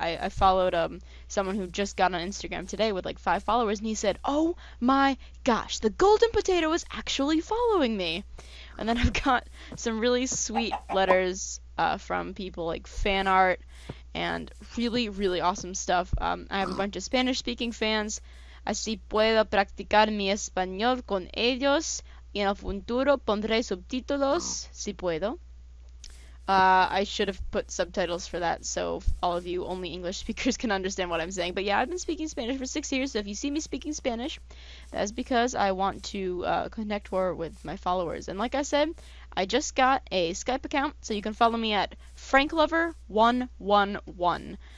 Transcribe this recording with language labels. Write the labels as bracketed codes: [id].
[en] I followed someone who just got on Instagram today with like 5 followers, and he said, "Oh my gosh, the Golden Potato is actually following me." And then I've got some really sweet letters from people, like fan art and really, really awesome stuff. I have a bunch of Spanish-speaking fans. [es] Así puedo practicar mi español con ellos. Y en el futuro pondré subtítulos, si puedo. [en] I should have put subtitles for that, so all of you only English speakers can understand what I'm saying. But yeah, I've been speaking Spanish for 6 years, so if you see me speaking Spanish, that is because I want to connect more with my followers. And like I said, I just got a Skype account, so you can follow me at franklover111.